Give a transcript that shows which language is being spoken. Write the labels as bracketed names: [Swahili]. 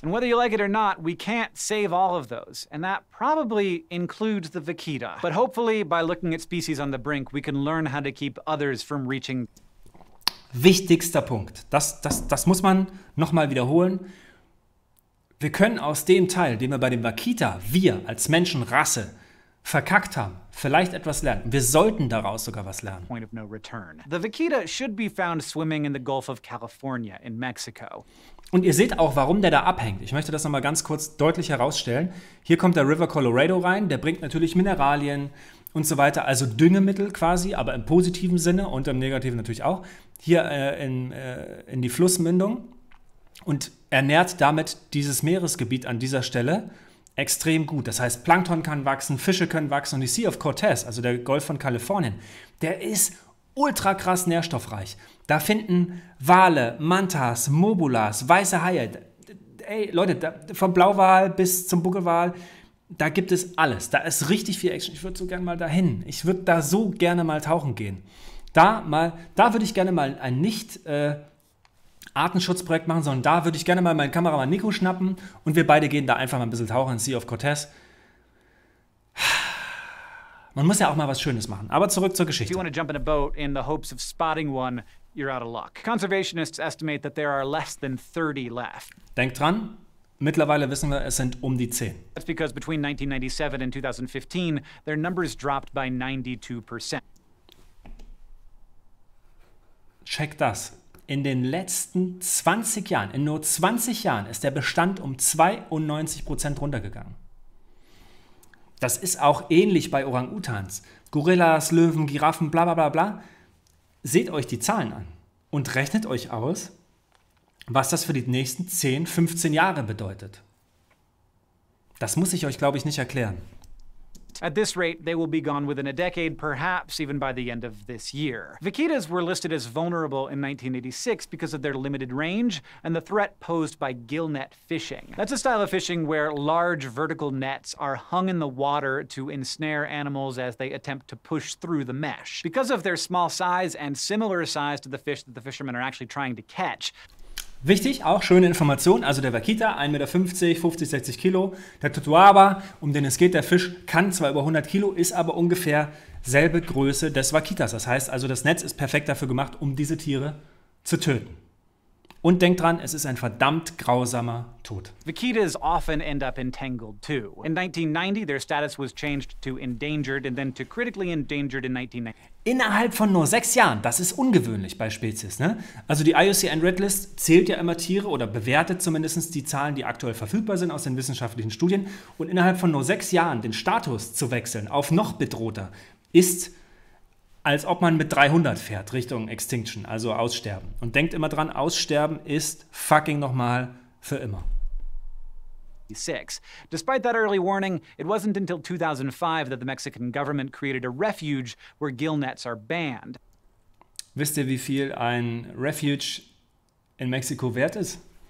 [English] And whether you like it or not, we can't save all of those. And that probably includes the vaquita. But hopefully, by looking at species on the brink, we can learn how to keep others from reaching. [German] Wichtigster Punkt. Das muss man nochmal wiederholen. Wir können aus dem Teil, den wir bei dem vaquita, wir als Menschenrasse, verkackt haben, vielleicht etwas lernen. Wir sollten daraus sogar was lernen. [English] Point of no return. The vaquita should be found swimming in the Gulf of California in Mexico. [German] Und ihr seht auch, warum der da abhängt. Ich möchte das nochmal ganz kurz deutlich herausstellen. Hier kommt der River Colorado rein, der bringt natürlich Mineralien und so weiter, also Düngemittel quasi, aber im positiven Sinne und im negativen natürlich auch, hier in die Flussmündung und ernährt damit dieses Meeresgebiet an dieser Stelle extrem gut. Das heißt, Plankton kann wachsen, Fische können wachsen und die Sea of Cortez, also der Golf von Kalifornien, der ist ultra krass nährstoffreich. Da finden Wale, Mantas, Mobulas, weiße Haie. Ey, Leute, da, vom Blauwal bis zum Buckelwal, da gibt es alles. Da ist richtig viel Action. Ich würde so gerne mal dahin. Ich würde da so gerne mal tauchen gehen. Da würde ich gerne mal ein nicht Artenschutzprojekt machen, sondern da würde ich gerne mal meinen Kameramann Nico schnappen und wir beide gehen da einfach mal ein bisschen tauchen in Sea of Cortez. Man muss ja auch mal was Schönes machen. Aber zurück zur Geschichte. [English] If you want to jump in a boat in the hopes of spotting one, you're out of luck. Conservationists estimate that there are less than 30 left. [German] Denkt dran, mittlerweile wissen wir, es sind um die 10. [English] That's because between 1997 and 2015, their numbers dropped by 92%. [German] Check das. In den letzten 20 Jahren, in nur 20 Jahren, ist der Bestand um 92% runtergegangen. Das ist auch ähnlich bei Orang-Utans. Gorillas, Löwen, Giraffen, bla bla bla bla. Seht euch die Zahlen an und rechnet euch aus, was das für die nächsten 10, 15 Jahre bedeutet. Das muss ich euch, glaube ich, nicht erklären. [English] At this rate, they will be gone within a decade, perhaps even by the end of this year. Vaquitas were listed as vulnerable in 1986 because of their limited range and the threat posed by gillnet fishing. That's a style of fishing where large vertical nets are hung in the water to ensnare animals as they attempt to push through the mesh. Because of their small size and similar size to the fish that the fishermen are actually trying to catch. [German] Wichtig, auch schöne Information, also der Vaquita, 1,50 Meter, 50, 60 Kilo. Der Totoaba, um den es geht, der Fisch, kann zwar über 100 Kilo, ist aber ungefähr selbe Größe des Vaquitas. Das heißt also, das Netz ist perfekt dafür gemacht, um diese Tiere zu töten. Und denkt dran, es ist ein verdammt grausamer Tod. [English] Vaquitas often end up entangled too. In 1990, their status was changed to endangered and then to critically endangered in 1990. [German] Innerhalb von nur 6 Jahren, das ist ungewöhnlich bei Spezies, ne? Also die IUCN Red List zählt ja immer Tiere oder bewertet zumindest die Zahlen, die aktuell verfügbar sind aus den wissenschaftlichen Studien. Und innerhalb von nur 6 Jahren den Status zu wechseln auf noch bedrohter, ist, als ob man mit 300 fährt Richtung Extinction, also Aussterben. Und denkt immer dran, Aussterben ist fucking nochmal für immer. [English] Despite that early warning, it wasn't until 2005 that the Mexican government created a refuge where gillnets are banned. [German] Wisst ihr, wie viel ein Refuge in Mexiko wert ist?